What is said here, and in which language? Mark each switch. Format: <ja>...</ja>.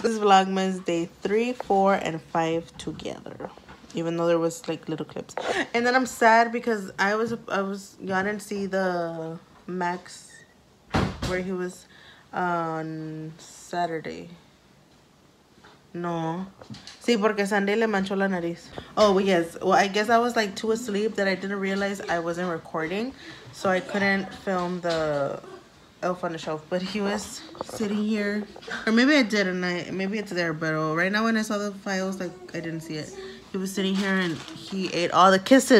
<en>This is Vlogmas day 3, 4, and 5 together. Even though there was like little clips. And then I'm sad because I was, y'all didn't see the Max where he was on Saturday. No.</en> <es>Sí, porque Sunday le manchó la nariz.</es> <en>Oh, yes. Well, I guess I was like too asleep that I didn't realize I wasn't recording. So I couldn't film the Elf on the Shelf, but he was sitting here, or maybe I did, and maybe it's there, but right now when I saw the files, like, I didn't see it. He was sitting here and he ate all the kisses.</en>